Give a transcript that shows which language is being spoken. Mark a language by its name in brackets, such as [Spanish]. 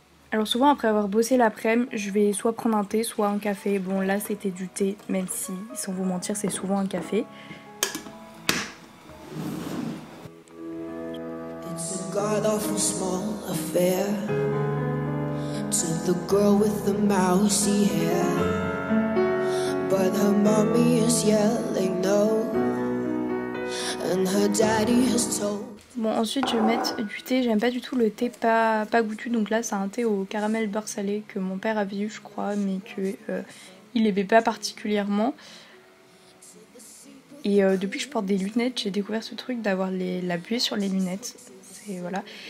[French] Alors souvent après avoir bossé l'après-midi, je vais soit prendre un thé, soit un café. Bon là, c'était du thé, même si sans vous mentir, c'est souvent un café. [English] God-awful small affair to the girl with the mousy hair, but her mommy is yelling no and her daddy has told. [French] Bon, ensuite je vais mettre du thé. J'aime pas du tout le thé pas goûtu, donc là c'est un thé au caramel beurre salé que mon père avait eu je crois, mais que il aimait pas particulièrement. Et depuis que je porte des lunettes, j'ai découvert ce truc d'avoir la buée sur les lunettes. Et voilà.